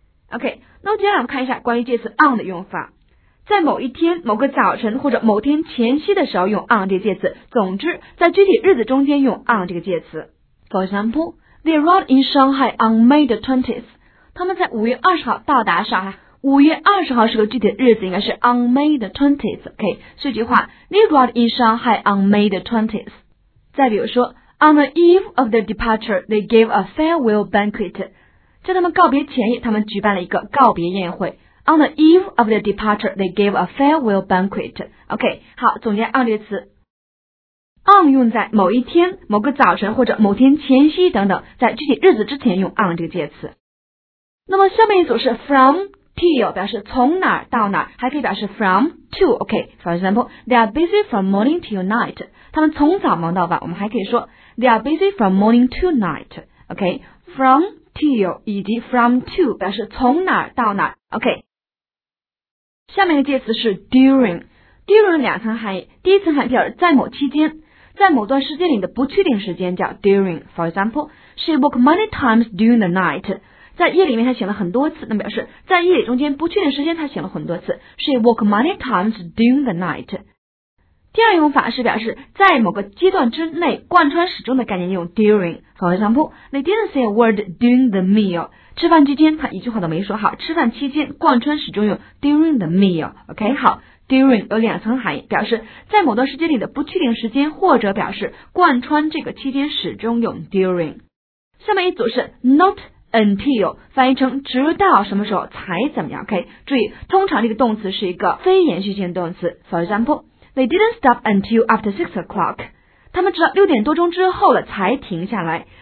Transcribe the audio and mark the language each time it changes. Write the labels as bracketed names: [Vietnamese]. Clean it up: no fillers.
[Chinese] OK， 那接下来我们看一下关于介词 on 的用法。在某一天、某个早晨或者某天前夕的时候用 on 这个介词，总之在具体日子中间用 on 这个介词。 [English] For example, they arrived in Shanghai on May the 20th. [Chinese] 他们在5月20号到达上海。5月20号是个具体的日子，应该是 [English] on May the 20th. OK， [Chinese] 这句话 [English] they arrived in Shanghai on May the 20th. [Chinese] 再比如说 [English] on the eve of their departure, they gave a farewell banquet. [Chinese] 在他们告别前夜，他们举办了一个告别宴会。 [English] On the eve of their departure, they gave a farewell banquet. [Chinese] OK, 好，总结 on 这个词。 On 用在某一天、某个早晨或者某天前夕等等，在具体日子之前用 on 这个介词。那么下面一组是 from, till, 表示从哪儿到哪儿，还可以表示 from, to. [English] OK, for example, they are busy from morning till night. [Chinese] 他们从早忙到晚，我们还可以说 [English] they are busy from morning till night. [Chinese] OK, from,以及 from to 表示从哪儿到哪儿。 OK， 下面的介词是 during。 during 两层含义，第一层含义表示在某期间，在某段时间里的不确定时间叫 during。 [English] For example, she woke many times during the night。 [Chinese] 在夜里面她醒了很多次，那表示在夜里中间不确定时间她醒了很多次。 [English] She woke many times during the night。 [Chinese] 第二用法是表示在某个阶段之内贯穿始终的概念，用 during。 [English] For example, they didn't say a word during the meal. [Chinese] 吃饭期间他一句话都没说，好，吃饭期间贯穿始终用 [English] during the meal. [Chinese] OK, 好， during 有两层含义，表示在某段时间里的不确定时间，或者表示贯穿这个期间始终用 during。下面一组是 notUntil 翻译成直到什么时候才怎么样。 OK， 注意通常这个动词是一个非延续性动词。 [English] For example, they didn't stop until after 6 o'clock. [Chinese] 他们直到六点多钟之后了才停下来。